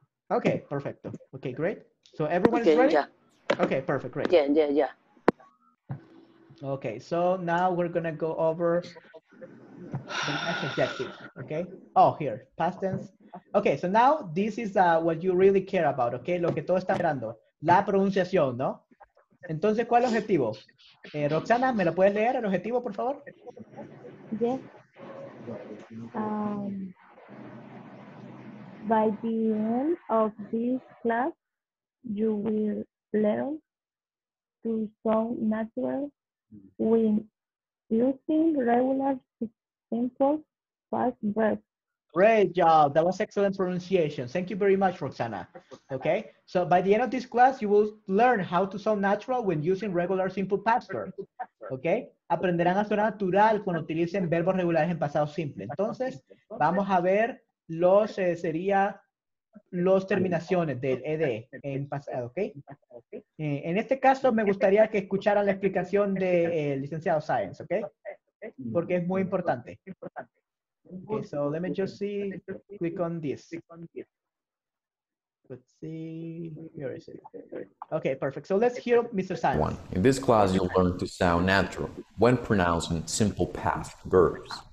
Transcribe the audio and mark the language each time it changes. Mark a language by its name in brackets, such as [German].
[English] Okay, perfecto. Okay, great. So everyone is ready? Yeah. Okay, perfect, great. Yeah. Okay, so now we're gonna go over the next objective, okay? Oh, here, past tense. Okay, so now this is what you really care about, okay? [Spanish] Lo que todo está esperando, la pronunciación, ¿no? Entonces, ¿cuál es el objetivo? Roxana, ¿me lo puedes leer el objetivo, por favor? Yeah. By the end of this class, you will learn to sound natural when using regular simple past verbs. Great job. That was excellent pronunciation. Thank you very much, Roxana. Okay. So by the end of this class, you will learn how to sound natural when using regular simple past verbs. Okay. Aprenderán a sonar natural cuando utilicen verbos regulares en pasado simple. Entonces, vamos a ver los sería los terminaciones del ED en pasado. Okay. En este caso, me gustaría que escucharan la explicación del licenciado Sáenz. Okay. Porque es muy importante. [English] Okay, so let me just see, click on this. Let's see, here is it. Okay, perfect. So let's hear Mr. Simon. In this class, you'll learn to sound natural when pronouncing simple past verbs.